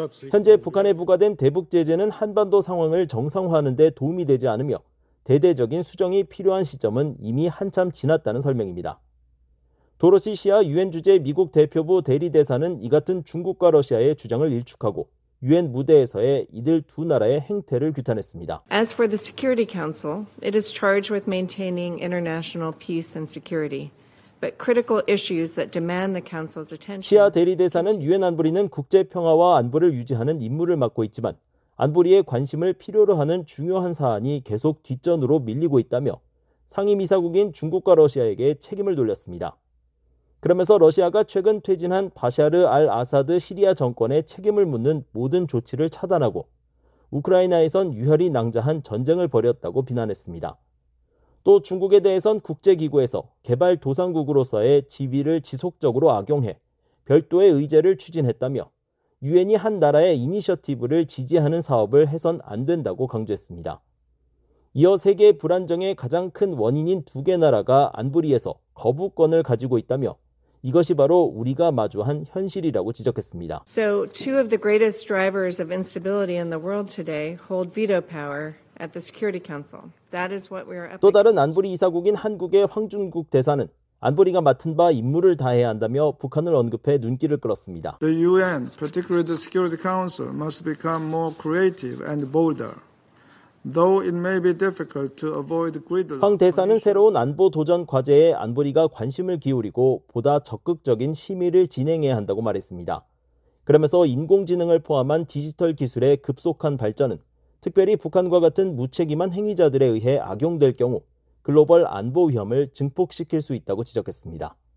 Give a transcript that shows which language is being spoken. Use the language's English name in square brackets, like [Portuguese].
[Korean] 현재 북한에 부과된 대북 제재는 한반도 상황을 정상화하는 데 도움이 되지 않으며 대대적인 수정이 필요한 시점은 이미 한참 지났다는 설명입니다. 도로시 시아 유엔 주재 미국 대표부 대리대사는 이 같은 중국과 러시아의 주장을 일축하고 유엔 무대에서의 이들 두 나라의 행태를 규탄했습니다. [English] As for the Security Council, it is charged with maintaining international peace and security, but critical issues that demand the council's attention. [Korean] 시아 대리대사는 유엔 안보리는 국제 평화와 안보를 유지하는 임무를 맡고 있지만 안보리의 관심을 필요로 하는 중요한 사안이 계속 뒷전으로 밀리고 있다며 상임이사국인 중국과 러시아에게 책임을 돌렸습니다. 그러면서 러시아가 최근 퇴진한 바샤르 알 아사드 시리아 정권의 책임을 묻는 모든 조치를 차단하고 우크라이나에선 유혈이 낭자한 전쟁을 벌였다고 비난했습니다. 또 중국에 대해선 국제기구에서 개발도상국으로서의 지위를 지속적으로 악용해 별도의 의제를 추진했다며 유엔이 한 나라의 이니셔티브를 지지하는 사업을 해선 안 된다고 강조했습니다. 이어 세계 불안정의 가장 큰 원인인 두 개 나라가 안보리에서 거부권을 가지고 있다며 이것이 바로 우리가 마주한 현실이라고 지적했습니다. [English] So two of the greatest drivers of instability in the world today hold veto power at the Security Council. That is what we are. [Korean] 또 다른 안보리 이사국인 한국의 황준국 대사는 안보리가 맡은 바 임무를 다해야 한다며 북한을 언급해 눈길을 끌었습니다. [English] The UN, particularly the Security Council, must become more creative and bolder. Though it may be difficult to avoid gridlock. [Korean] 황 대사는 새로운 안보 도전 과제에 안보리가 관심을 기울이고 보다 적극적인 심의를 진행해야 한다고 말했습니다. 그러면서 인공지능을 포함한 디지털 기술의 급속한 발전은 특별히 북한과 같은 무책임한 행위자들에 의해 악용될 경우 글로벌 안보 위험을 증폭시킬 수 있다고 지적했습니다.